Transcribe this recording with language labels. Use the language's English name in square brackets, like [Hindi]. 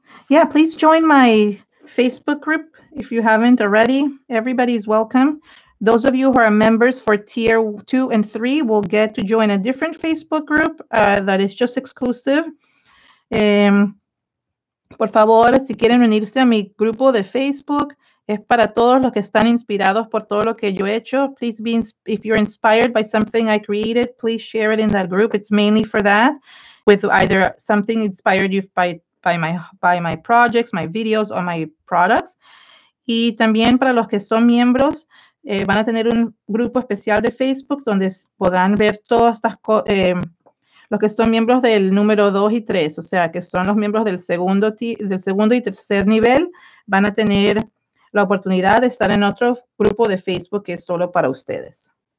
[English] Yeah, please join my Facebook group if you haven't already. Everybody's welcome. Those of you who are members for tier 2 and 3 will get to join a different Facebook group that is just exclusive. [Spanish] Por favor, si quieren unirse a mi grupo de Facebook, es para todos los que están inspirados por todo lo que yo he hecho. [English] Please be, if you're inspired by something I created, please share it in that group. It's mainly for that, with either something inspired you by my projects, my videos, or my products. [Spanish] Y también para los que son miembros, van a tener un grupo especial de Facebook donde podrán ver todas estas cosas. Los que son miembros del número 2 y 3, o sea, que son los miembros del segundo y tercer nivel, van a tener la oportunidad de estar en otro grupo de Facebook que es solo para ustedes.